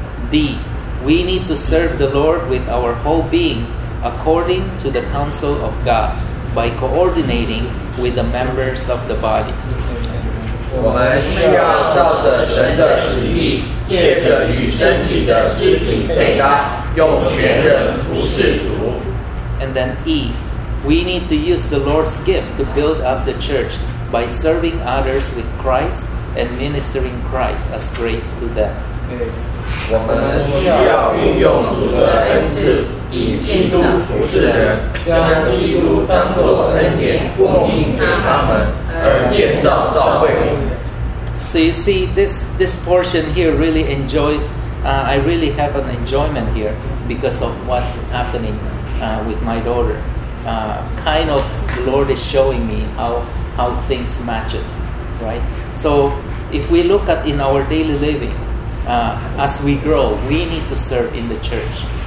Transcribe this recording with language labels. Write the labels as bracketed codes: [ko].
[en] D. We need to serve the Lord with our whole being, according to the counsel of God by coordinating with the members of the body. [zh] 我们需要照着神的旨意，借着与身体的肢体配搭，用全人服侍主。 [en] And then E, we need to use the Lord's gift to build up the church by serving others with Christ and ministering Christ as grace to them. [zh] 我们需要运用主的恩赐，以基督服侍人，将基督当作恩典供应给他们，而建造教会。 [en] So you see, this portion here really enjoys, I really have an enjoyment here because of what's happening with my daughter. Kind of the Lord is showing me how things matches, right? So if we look at in our daily living, as we grow, we need to serve in the church.